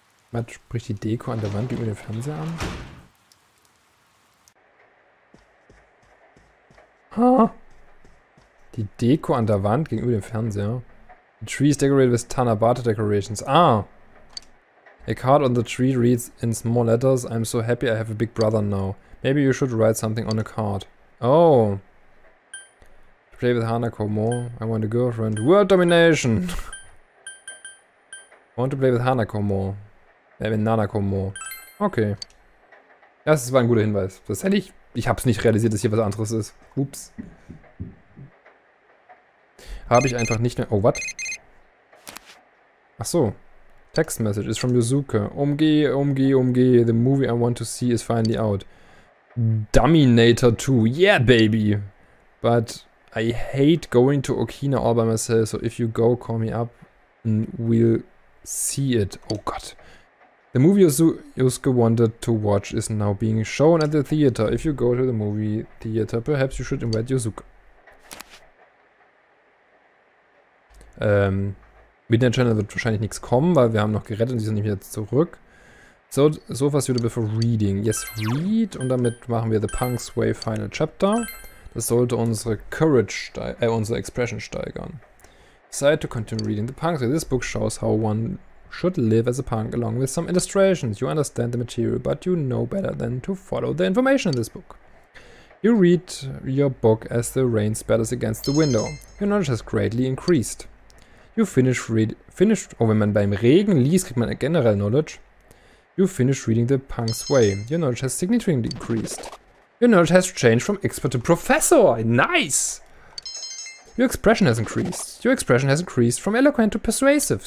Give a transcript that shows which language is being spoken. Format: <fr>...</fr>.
<de>Matt spricht die Deko an der Wand über den Fernseher an. Ha! Die Deko an der Wand gegenüber dem Fernseher.</de> <en>The tree is decorated with Tanabata decorations. Ah! A card on the tree reads in small letters, I'm so happy I have a big brother now. Maybe you should write something on a card. Oh! To play with Hanako more, I want a girlfriend. World domination! Want to play with Hanako more.</en> <de>Mit Nanako more. Okay. Das war ein guter Hinweis. Das hätte ich... Ich habe es nicht realisiert, dass hier was anderes ist. Ups. Habe ich einfach nicht mehr...</de> <en>Oh, what?</en> <de>Ach so.</de> <en>Text message is from Yuzuka. Umgeh. The movie I want to see is finally out. Dominator 2. Yeah, baby. But I hate going to Okina all by myself. So if you go, call me up and we'll see it.</en> <de>Oh Gott.</de> <en>The movie Yusuke wanted to watch is now being shown at the theater. If you go to the movie theater, perhaps you should invite Yusuke.</en> <de>Mit der Channel wird wahrscheinlich nichts kommen, weil wir haben noch gerettet und sie sind nicht wieder zurück.</de> <en>So, sofa suitable for reading. Yes, read.</en> <de>Und damit machen wir</de> <en>The Punk's Way Final Chapter.</en> <de>Das sollte unsere Courage, unsere Expression steigern.</de> <en>Decide to continue reading The Punk's Way. This book shows how one should live as a punk along with some illustrations. You understand the material, but you know better than to follow the information in this book. You read your book as the rain spatters against the window. Your knowledge has greatly increased. You finish read...</en> <de>wenn man beim Regen liest, kriegt man generell knowledge.</de> <en>You finish reading The Punk's Way. Your knowledge has significantly increased. Your knowledge has changed from expert to professor. Nice! Your expression has increased. Your expression has increased from eloquent to persuasive.</en>